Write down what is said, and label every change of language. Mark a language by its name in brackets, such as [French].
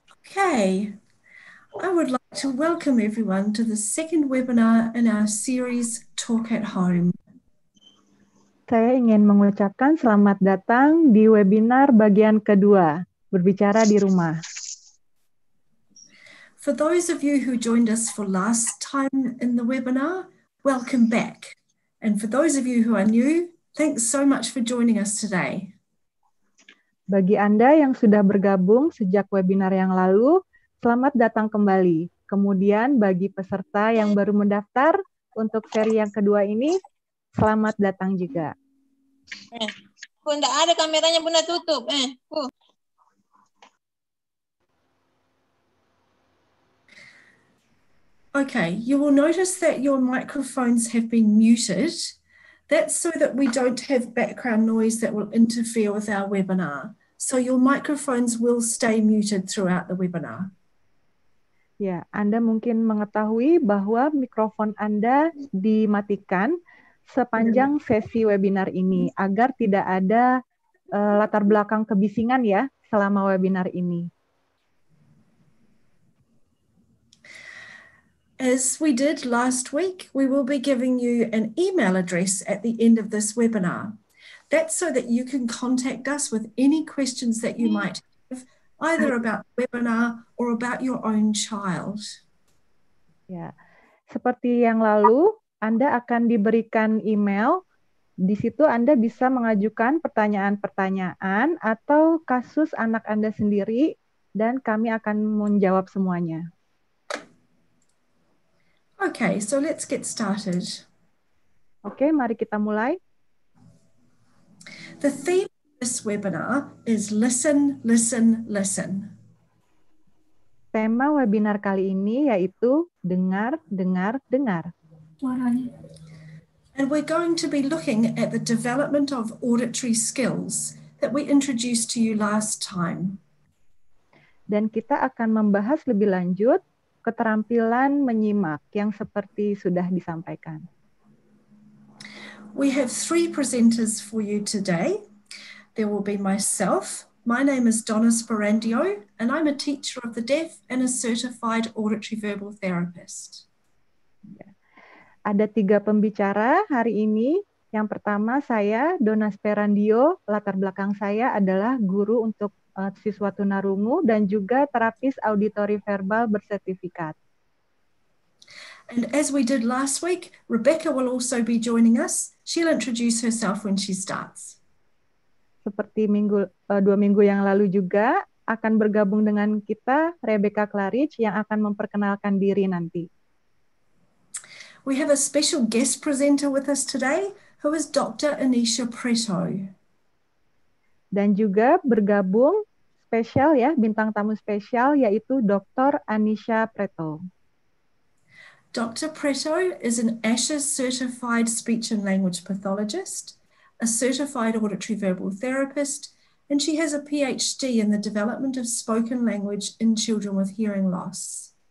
[English] Okay, I would like to welcome everyone to the second webinar in our series Talk at Home. [Indonesian] Saya ingin mengucapkan selamat datang di webinar bagian kedua, Berbicara di Rumah. [English] For those of you who joined us for last time in the webinar, welcome back. And for those of you who are new, thanks so much for joining us today. [Indonesian] Bagi Anda yang sudah bergabung sejak webinar yang lalu, selamat datang kembali. Kemudian bagi peserta yang baru mendaftar untuk seri yang kedua ini, selamat datang juga. Bunda, ada kameranya Bunda tutup. [English] Okay, you will notice that your microphones have been muted. That's so that we don't have background noise that will interfere with our webinar. So your microphones will stay muted throughout the webinar. [Indonesian] Ya, Anda mungkin mengetahui bahwa mikrofon Anda dimatikan sepanjang sesi webinar ini agar tidak ada latar belakang kebisingan ya selama webinar ini. [English] As we did last week, we will be giving you an email address at the end of this webinar. That's so that you can contact us with any questions that you might have, either about the webinar or about your own child. [Indonesian] Ya, seperti yang lalu, Anda akan diberikan email. Di situ Anda bisa mengajukan pertanyaan-pertanyaan atau kasus anak Anda sendiri, dan kami akan menjawab semuanya. [English] Okay, so let's get started. [Indonesian] Okay, mari kita mulai. [English] The theme of this webinar is listen, listen, listen. [Indonesian] Tema webinar kali ini yaitu dengar, dengar, dengar. [English] And we're going to be looking at the development of auditory skills that we introduced to you last time. [Indonesian] Dan kita akan membahas lebih lanjut keterampilan menyimak yang seperti sudah disampaikan. [English] We have three presenters for you today. There will be myself. My name is Donna Sparandio, and I'm a teacher of the deaf and a certified auditory verbal therapist. [Indonesian] Ada tiga pembicara hari ini. Yang pertama saya, Donna Sparandio. Latar belakang saya adalah guru untuk siswa tunarungu dan juga terapis auditory verbal bersertifikat. [English] And as we did last week, Rebecca will also be joining us. She'll introduce herself when she starts. [Indonesian] Seperti dua minggu yang lalu juga, akan bergabung dengan kita Rebecca Claridge yang akan memperkenalkan diri nanti. [English] We have a special guest presenter with us today, who is Dr. Anisha Preto. [Indonesian] Dan juga bergabung spesial ya, bintang tamu spesial, yaitu Dr. Anisha Preto. [English] Dr. Preto is an ASHES certified speech and language pathologist, a certified auditory verbal therapist, and she has a PhD in the development of spoken language in children with hearing loss.